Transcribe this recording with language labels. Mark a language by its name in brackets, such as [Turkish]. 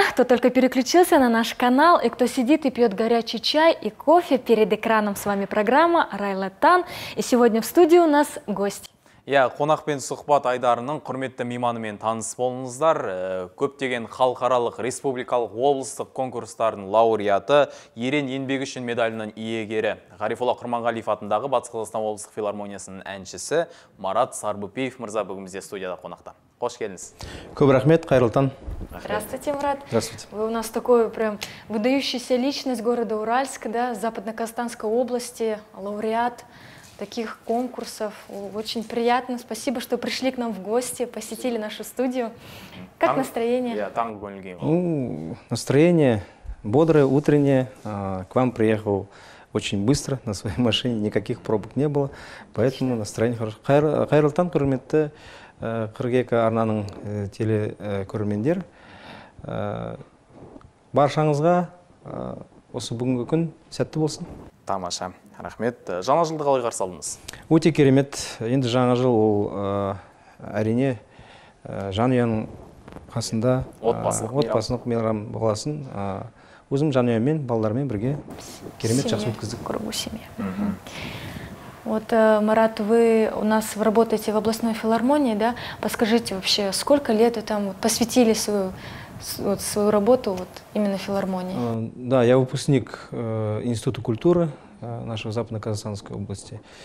[Russian] Кто только переключился на наш канал и кто сидит и пьет горячий чай и кофе перед экраном, с вами программа «Арайлы таң». И сегодня в студии у нас гость. [Kazakh] Я қонақ пен сұхбат айдарының құрметті мейманымен таныс болыңыздар. Көптеген халықаралық, республикалық, облыстық конкурстардың лауреаты, ерен еңбегі үшін медалінің иегері Ғарифолла Құрманғалиев атындағы Батыс Қазақстан облыстық филармониясының әншісі Марат Сарбупиев мырза бүгін бізде студияда қонақта. Қош келдіңіз. Көп рахмет, қайырлы таң. [Russian] Здравствуйте, Марат. Здравствуйте. Вы у нас такой прям выдающийся личность города Уральск, да, Западно-Казахстанской области, лауреат таких конкурсов. Очень приятно. Спасибо, что пришли к нам в гости, посетили нашу студию. Как там, настроение? Настроение бодрое, утреннее. К вам приехал очень быстро на своей машине. Никаких пробок не было. Поэтому настроение хорошее. [Kazakh] Хайрлы таң, құрметті 42 арнаның телекөрермендер. Баршаңызға осы бүгінгі күн сәтті болсын. Тамаша. Рахмет. Жаңа жылды қалай қарсы алдыңыз? Өте керемет. Енді жаңа жыл ол әрине жанұяның қасында отбасылық мейрам боласын. Өзім жанұяммен, балаларыммен бірге керемет жақсы өткіздік. Құрбы семья. [Russian] Вот, Марат, вы у нас работаете в областной филармонии, да? Подскажите вообще, сколько лет вы там посвятили свою работу вот, именно филармонии? Да, я выпускник Института культуры нашего Западно-Казахстанской области.